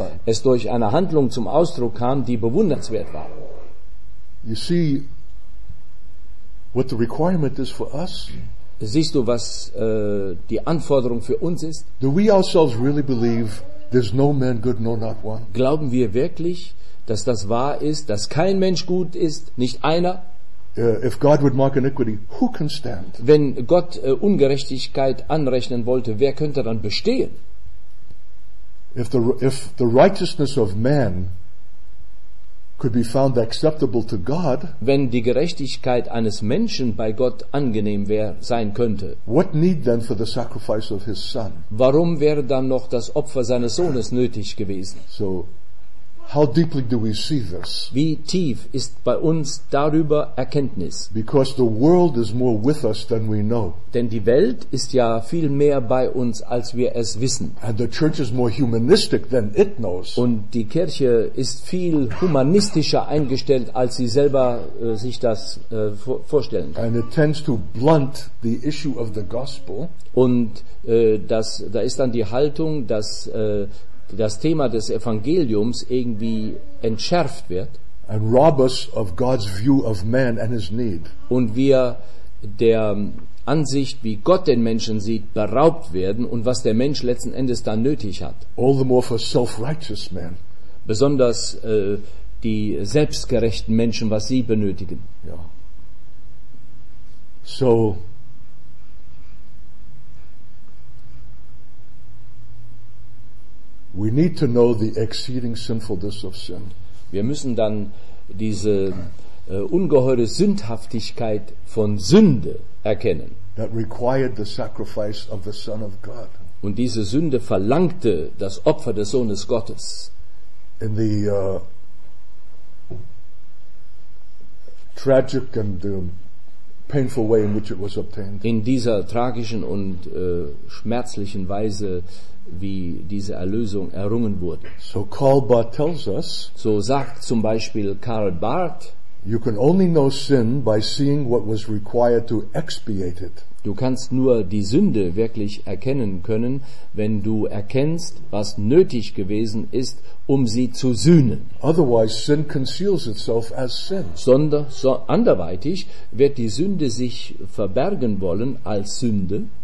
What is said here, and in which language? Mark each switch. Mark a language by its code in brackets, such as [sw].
[de] Obwohl es durch eine Handlung zum Ausdruck kam, die bewundernswert war. [en] You see what the requirement is for us? [de] Siehst du, was die Anforderung für uns ist? [en] Do we ourselves really believe there's no man good, no not one? [de] Glauben wir wirklich, dass das wahr ist, dass kein Mensch gut ist, nicht einer? [en] If God would mark iniquity, who can stand? [de] Wenn Gott Ungerechtigkeit anrechnen wollte, wer könnte dann bestehen? [en] If the righteousness of man could be found acceptable to God, [de] wenn die Gerechtigkeit eines Menschen bei Gott angenehm sein könnte, [en] what need then for the sacrifice of his son? [de] Warum wäre dann noch das Opfer seines Sohnes nötig gewesen? [en] So, how deeply do we see this? [de] Wie tief ist bei uns darüber Erkenntnis? [en] Because the world is more with us than we know. [de] Denn die Welt ist ja viel mehr bei uns, als wir es wissen. [en] And the church is more humanistic than it knows. [de] Und die Kirche ist viel humanistischer eingestellt, als sie selber sich das vorstellen kann. [en] And it tends to blunt the issue of the gospel. [de] Und das, da ist dann die Haltung, dass das Thema des Evangeliums irgendwie entschärft wird. [en] And rob us of God's view of man and his need. [de] Und wir der Ansicht, wie Gott den Menschen sieht, beraubt werden und was der Mensch letzten Endes dann nötig hat. [en] All the more for self-righteous man. [de] Besonders die selbstgerechten Menschen, was sie benötigen. Ja. [en] So, we need to know the exceeding sinfulness of sin. [de] Wir müssen dann diese ungeheure Sündhaftigkeit von Sünde erkennen. [en] That required the sacrifice of the Son of God. [de] Und diese Sünde verlangte das Opfer des Sohnes Gottes. [en] In the tragic and painful way in which it was obtained. [de] In dieser tragischen und schmerzlichen Weise, wie diese Erlösung errungen wurde. [en] So Karl Barth tells us, [de] so sagt zum Beispiel Karl Barth, [en] you can only know sin by seeing what was required to expiate it. [de] Du kannst nur die Sünde wirklich erkennen können, wenn du erkennst, was nötig gewesen ist, um sie zu sühnen. [en] Otherwise sin conceals itself as sin. [de] Anderweitig wird die Sünde sich verbergen wollen als Sünde.